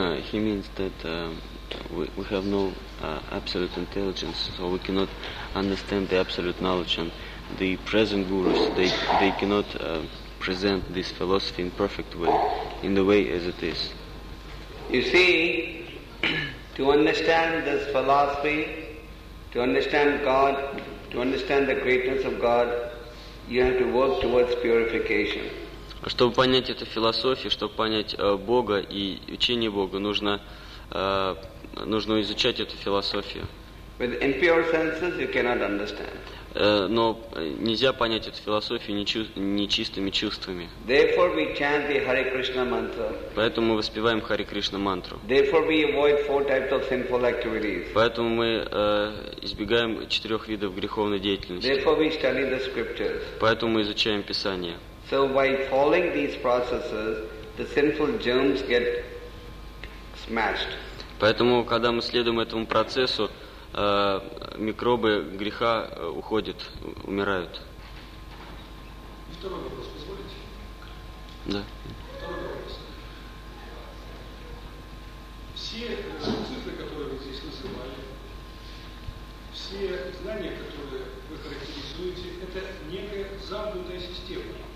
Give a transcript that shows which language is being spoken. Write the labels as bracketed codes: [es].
[en] He means that we have no absolute intelligence, so we cannot understand the absolute knowledge, and the present gurus, they cannot present this philosophy in perfect way, in the way as it is. You see, to understand this philosophy, to understand God, to understand the greatness of God, you have to work towards purification. [ru] Чтобы понять эту философию, чтобы понять Бога и учение Бога, нужно изучать эту философию. [en] With impure senses you cannot understand. [ru] Но нельзя понять эту философию нечистыми чувствами. [en] Therefore we chant the Hare Krishna mantra. [ru] Поэтому мы воспеваем Харе Кришна мантру. [en] Therefore we avoid four types of sinful activities. [ru] Поэтому мы избегаем четырех видов греховной деятельности. [en] Therefore we study the scriptures. [ru] Поэтому мы изучаем Писание. [en] So by following these processes, the sinful germs get smashed. [ru] Поэтому, когда мы следуем этому процессу, микробы греха уходят, умирают. Второй вопрос, позволите? Да. Второй вопрос. Все сутры, которые вы здесь называли, все знания, которые вы характеризуете, это некая замкнутая система.